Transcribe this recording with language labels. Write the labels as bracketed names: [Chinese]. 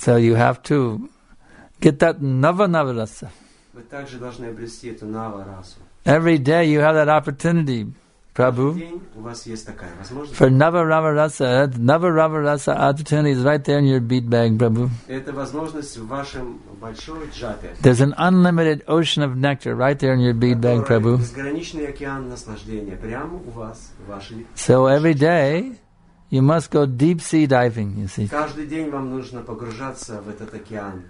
[English] So you have to get that nava-nava rasa. [Russian] Вы также должны обрести эту нава-расу. [English] Every day you have that opportunity, Prabhu. [Russian] У вас есть такая возможность. [English] For nava-rava-rasa, that nava-rava-rasa opportunity is right there in your bead bag, Prabhu. [Russian] Это возможность в вашем большой джапе. [English] There's an unlimited ocean of nectar right there in your bead bag, Prabhu. [Russian] Безграничный океан наслаждения прямо у вас, в вашей. [English] So every day you must go deep sea diving, you see. [Russian] Каждый день вам нужно погружаться в этот океан.